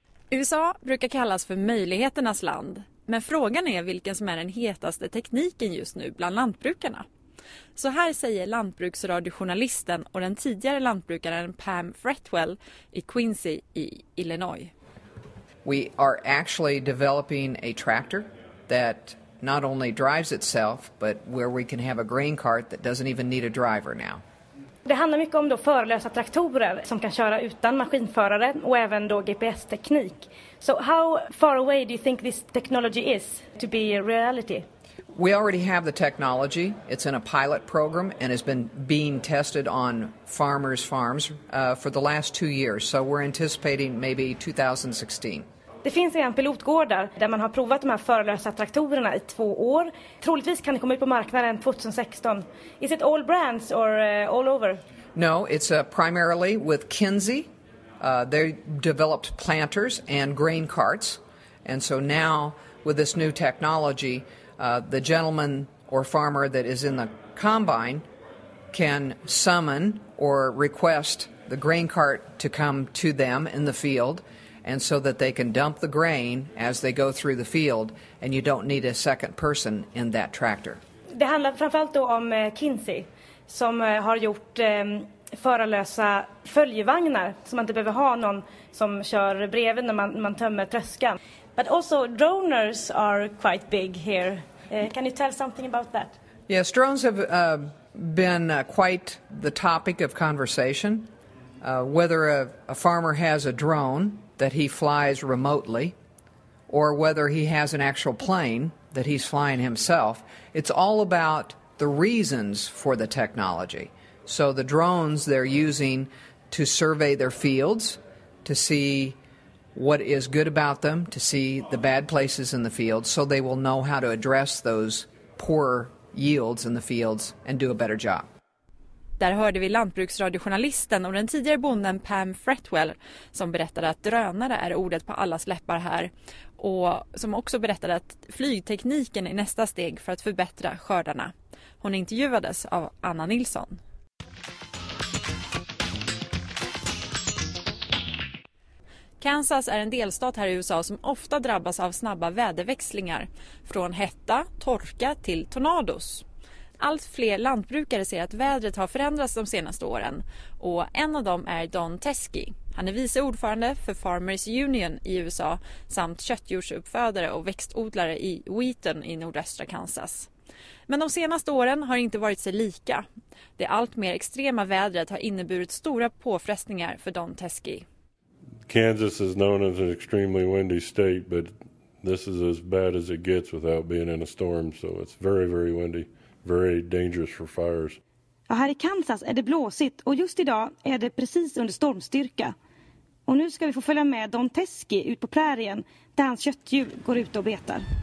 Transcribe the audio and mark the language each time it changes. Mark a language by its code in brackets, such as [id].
[sv] USA brukar kallas för möjligheternas land. Men frågan är vilken som är den hetaste tekniken just nu bland lantbrukarna. Så här säger lantbruksradiojournalisten och den tidigare lantbrukaren Pam Fretwell i Quincy i Illinois. [en] We are actually developing a tractor that not only drives itself but where we can have a grain cart that doesn't even need a driver now. [sv] Det handlar mycket om då förlösa traktorer som kan köra utan maskinförare och även då GPS-teknik. [en] So how far away do you think this technology is to be a reality? We already have the technology. It's in a pilot program and has been being tested on farmers' farms for the last 2 years. So we're anticipating maybe 2016. [sv] Det finns en pilotgård där man har provat de här förlösa traktorerna i 2 år. Troligtvis kan det komma ut på marknaden 2016. [en] Is it all brands or all over? No, it's primarily with Kinsey. They developed planters and grain carts. And so now, with this new technology, the gentleman or farmer that is in the combine can summon or request the grain cart to come to them in the field, and so that they can dump the grain as they go through the field, and you don't need a second person in that tractor. [sv] Det handlar framförallt då om Kinsey, som har gjort förarlösa följevagnar, som man inte behöver ha någon som kör bredvid när man tömmer tröskan. [en] But also drones are quite big here. Can you tell something about that? Yes, drones have been quite the topic of conversation. Whether a farmer has a drone that he flies remotely or whether he has an actual plane that he's flying himself, it's all about the reasons for the technology. So the drones they're using to survey their fields, to see what is good about them, to see the bad places in the field, so they will know how to address those poor yields in the fields and do a better job. [sv] Där hörde vi lantbruksradiojournalisten och den tidigare bonden Pam Fretwell som berättade att drönare är ordet på allas läppar här. Och som också berättade att flygtekniken är nästa steg för att förbättra skördarna. Hon intervjuades av Anna Nilsson. Kansas är en delstat här i USA som ofta drabbas av snabba väderväxlingar. Från hetta, torka till tornados. Allt fler lantbrukare ser att vädret har förändrats de senaste åren. Och en av dem är Don Teske. Han är vice ordförande för Farmers Union i USA samt köttdjursuppfödare och växtodlare i Wheaton i nordöstra Kansas. Men de senaste åren har inte varit sig lika. Det allt mer extrema vädret har inneburit stora påfrestningar för Don Teske. [en] Kansas is known as an extremely windy state, but this is as bad as it gets without being in a storm, so it's very, very windy. Very dangerous for fires. [sv] Ja, här i Kansas är det blåsigt och just idag är det precis under stormstyrka. Och nu ska vi få följa med Don Teske ut på prärien där hans köttdjur går ut och betar.